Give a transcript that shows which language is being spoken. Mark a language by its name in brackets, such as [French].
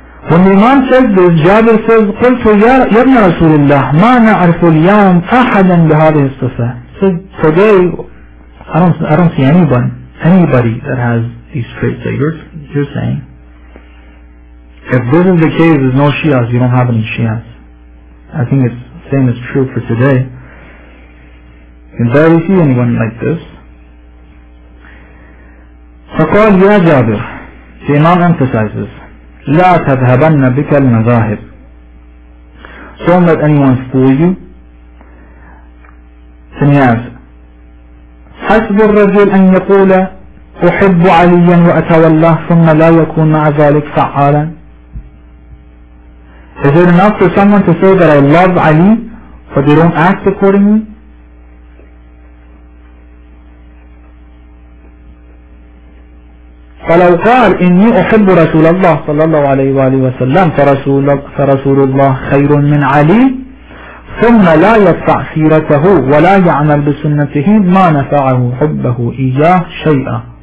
[English] When the Imam says this, Jabir says, [Arabic] قُلْتُ يَبْنَ رَسُولِ اللَّهِ مَا نَعْرْفُ الْيَوْمِ أَحَدًا بِهَذِهِ الصِّفَةِ. [English] So today, I don't see anybody that has these traits that you're saying. If this is the case, there's no Shias, you don't have any Shias. I think it's the same is true for today. You can barely see anyone like this. [Arabic] فقال يا جابر, [English] the Imam emphasizes, [Arabic] لا تذهبن بك المذاهب, [English] so don't let anyone fool you. Then he asks, [Arabic] حسب الرجل أن يقول أحب عليا وأتولاه ثم لا يكون مع ذلك فعالا. [English] Is it enough for someone to say that I love Ali, but they don't act accordingly? [Arabic] فَلَوْ قَالْ إِنِّي أُحِبُّ رَسُولَ اللَّهِ صَلَى اللَّهُ عَلَيْهِ وَآلِهِ وَسَلَّمْ فَرَسُولُ اللَّهِ خَيْرٌ مِّنْ عَلِيٍّ ثُمَّ لَا يَدْفَعْ سِيرَتَهُ وَلَا يَعْمَلْ بِسُنَّتِهِ مَا نَفَعَهُ حُبَّهُ إِيَّاهُ شَيْئًا.